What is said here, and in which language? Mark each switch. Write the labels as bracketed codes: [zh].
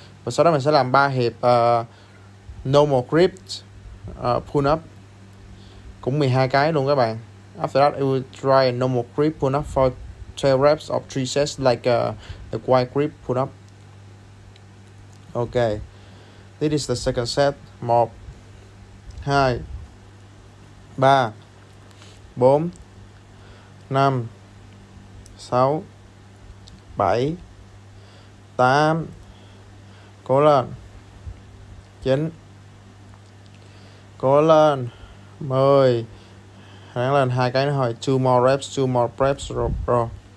[vi] Và sau đó mình sẽ làm 3 hiệp normal grip pull up cũng 12 cái luôn các bạn. [en] After that I will try normal grip pull up for 12 reps of 3 sets like the quad grip pull up. Okay. This is the second set. [vi] 1 2 3 4 5 6 7 8 cố lên 9 cố lên 10 ráng lên 2 cái nữa thôi, [en] 2 more reps, 2 more reps bro.